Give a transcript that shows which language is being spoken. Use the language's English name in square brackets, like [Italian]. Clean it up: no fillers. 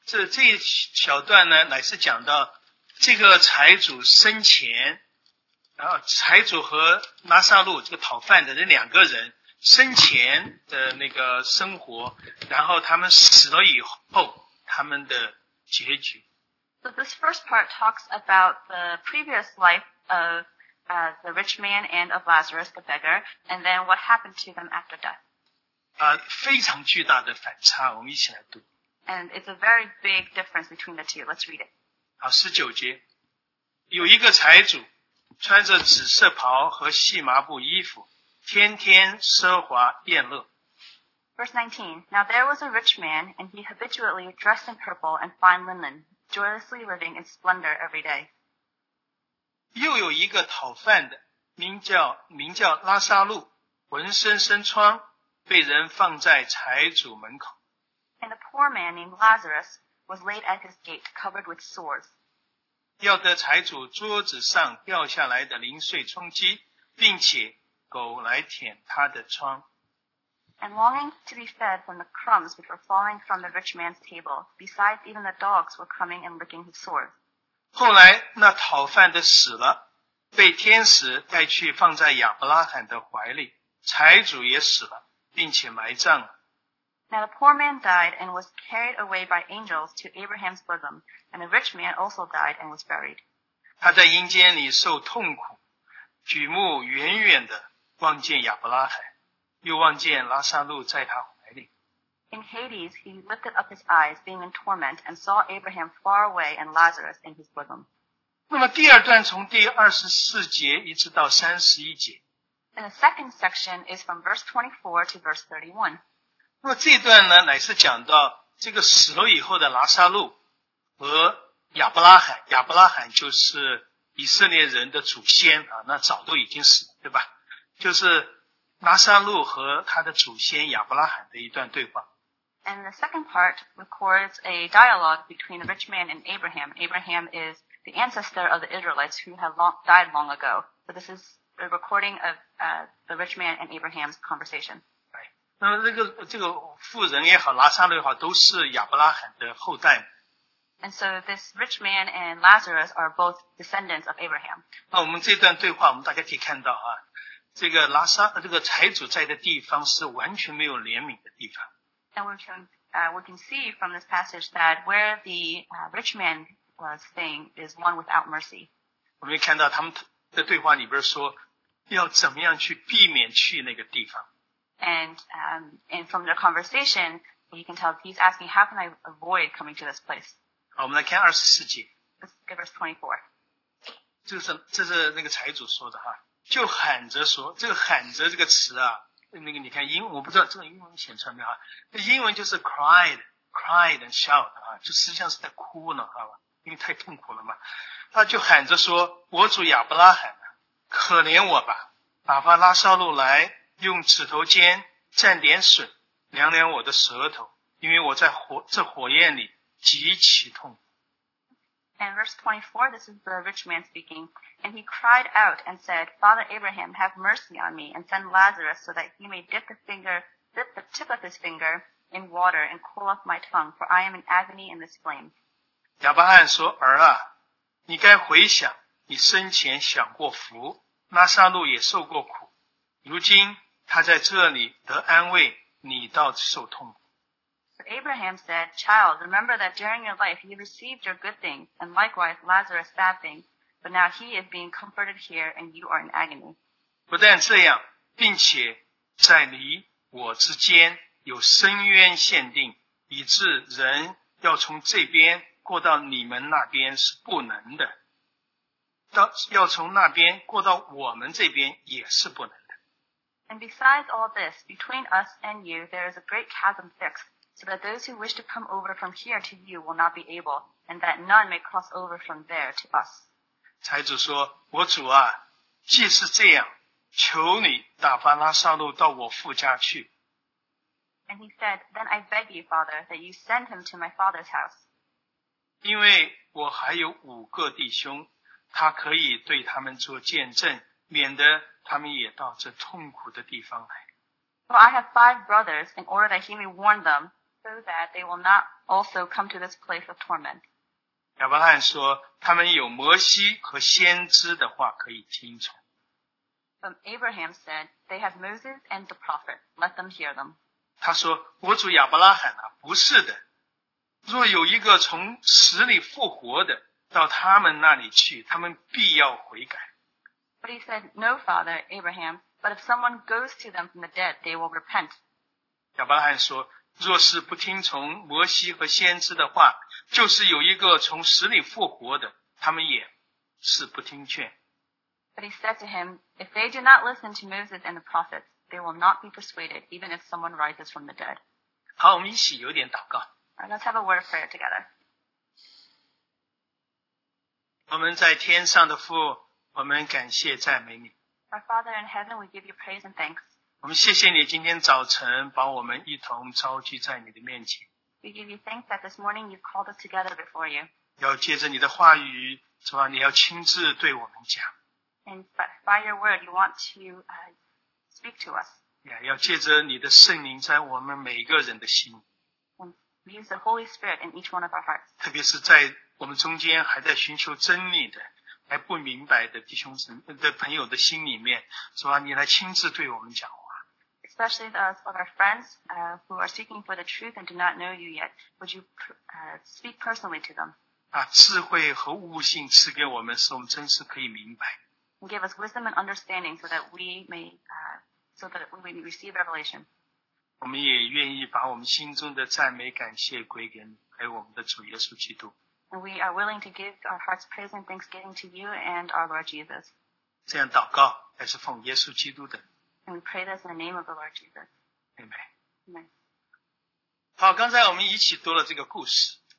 [Chinese] 这一小段呢，乃是讲到这个财主生前，然后财主和拉撒路这个讨饭的那两个人生前的那个生活，然后他们死了以后他们的结局。 [English] So this first part talks about the previous life of the rich man and of Lazarus, the beggar, and then what happened to them after death. [Chinese] 非常巨大的反差，我们一起来读。 [English] And it's a very big difference between the two. Let's read it. [Chinese] 好，十九节，有一个财主穿着紫色袍和细麻布衣服，天天奢华宴乐。 [English] Verse 19, now there was a rich man, and he habitually dressed in purple and fine linen. Joyously living in splendor every day. [Chinese] 又有一个讨饭的名叫拉撒路，浑身生疮，被人放在财主门口。 [English] And a poor man named Lazarus was laid at his gate covered with sores. [Chinese] 要得财主桌子上掉下来的零碎充饥，并且狗来舔他的疮。 [English] And longing to be fed from the crumbs which were falling from the rich man's table, besides even the dogs were coming and licking his sores. [Chinese] 后来那讨饭的死了，被天使带去放在亚伯拉罕的怀里，财主也死了，并且埋葬了。 [English] Now the poor man died and was carried away by angels to Abraham's bosom, and the rich man also died and was buried. [Chinese] 他在阴间里受痛苦，举目远远地望见亚伯拉罕。又望见拉撒路在他怀里。 [English] In Hades, he lifted up his eyes, being in torment, and saw Abraham far away and Lazarus in his bosom. [Chinese] 那么第二段从第24节一直到31节。 [English] And the second section is from verse 24 to verse 31. [Chinese] 那么这一段呢，乃是讲到这个死了以后的拉撒路和亚伯拉罕，亚伯拉罕就是以色列人的祖先啊，那早都已经死了，对吧？就是拉撒路和他的祖先亚伯拉罕的一段对话。 [English] And the second part records a dialogue between the rich man and Abraham. Abraham is the ancestor of the Israelites who had died long ago. So this is a recording of the rich man and Abraham's conversation. [Chinese] 那么这个富人也好，拉撒路也好，都是亚伯拉罕的后代。 [English] And so this rich man and Lazarus are both descendants of Abraham. [Chinese] 那我们这段对话，我们大概可以看到啊。这个财主在的地方是完全没有怜悯的地方。 [English] And we can see from this passage that where the rich man was staying is one without mercy. [Chinese] 我们看到他们的对话里边说，要怎么样去避免去那个地方。 [English] And from their conversation, you can tell he's asking, how can I avoid coming to this place? [Chinese] 好，我们来看二十四节。 [English] Let's get verse 24. [Chinese] 这是那个财主说的哈。就喊着说，这个喊着这个词啊，那个你看英文，我不知道这个英文写出来没有啊？英文就是 [English] cried and shout [Chinese] 啊，就实际上是在哭呢，好吧？因为太痛苦了嘛。他就喊着说：“我主亚伯拉罕，可怜我吧，哪怕拉撒路来用指头尖蘸点水，凉凉我的舌头，因为我在这火焰里极其痛。 [English] And verse 24, this is the rich man speaking. And he cried out and said, Father Abraham, have mercy on me and send Lazarus so that he may dip the tip of his finger in water and cool off my tongue, for I am in agony in this flame. [Chinese] 亚伯翰说，儿啊，你该回想你生前享过福，拉撒路也受过苦，如今他在这里得安慰，你倒受痛。 [English] So Abraham said, Child, remember that during your life you received your good things, and likewise Lazarus' bad things, but now he is being comforted here, and you are in agony. [Chinese] 不但这样，并且在你我之间有深渊限定，以致人要从这边过到你们那边是不能的，要从那边过到我们这边也是不能的。 [English] And besides all this, between us and you, there is a great chasm fixed. So that those who wish to come over from here to you will not be able, and that none may cross over from there to us. [Chinese] 财主说，我主啊，既是这样，求你打发拉撒路到我父家去。 [English] And he said, then I beg you, Father, that you send him to my father's house. [Chinese] 因为我还有五个弟兄，他可以对他们做见证，免得他们也到这痛苦的地方来。 [English] For I have five brothers, in order that he may warn them,so that they will not also come to this place of torment. [Chinese] 亚伯翰说，他们有摩西和先知的话可以听从。 [English] But Abraham said, they have Moses and the prophet. Let them hear them. [Chinese] 他说，我主亚伯拉罕啊，不是的。若有一个从死里复活的，到他们那里去，他们必要悔改。 [English] But he said, no, Father Abraham, but if someone goes to them from the dead, they will repent. [Chinese] 亚伯拉罕说，若是不听从摩西和先知的话，就是有一个从死里复活的，他们也是不听劝。 [English] But he said to him, if they do not listen to Moses and the prophets, they will not be persuaded, even if someone rises from the dead. [Chinese] 好，我们一起有点祷告。 [English] Let's have a word of prayer together. [Chinese] 我们在天上的父，我们感谢赞美你。 [English] Our Father in heaven, we give you praise and thanks. [Chinese] 我们谢谢你今天早晨把我们一同召集在你的面前。 [English] We give you thanks that this morning you've called us together before you. [Chinese] 要借着你的话语，是吧？你要亲自对我们讲。 [English] And by your word, you want to speak to us. [Chinese] 要借着你的圣灵在我们每个人的心。 [English] And use the Holy Spirit in each one of our hearts. [Chinese] 特别是在我们中间还在寻求真理的。还不明白的弟兄的朋友的心里面，是吧？你来亲自对我们讲话。 [English] Especially those of our friends, who are seeking for the truth and do not know you yet, would you, speak personally to them? [Chinese] 把智慧和悟性赐给我们，使我们真是可以明白。 [English] And give us wisdom and understanding so that we may, so that we may receive revelation. [Chinese] 我们也愿意把我们心中的赞美感谢归给你，还有我们的主耶稣基督。 [English] We are willing to give our hearts praise and thanksgiving to you and our Lord Jesus. [Chinese] 这样祷告，还是奉耶稣基督的。 [English] And we pray this in the name of the Lord Jesus. Amen. Amen. [Chinese] 好，刚才我们一起读了这个故事。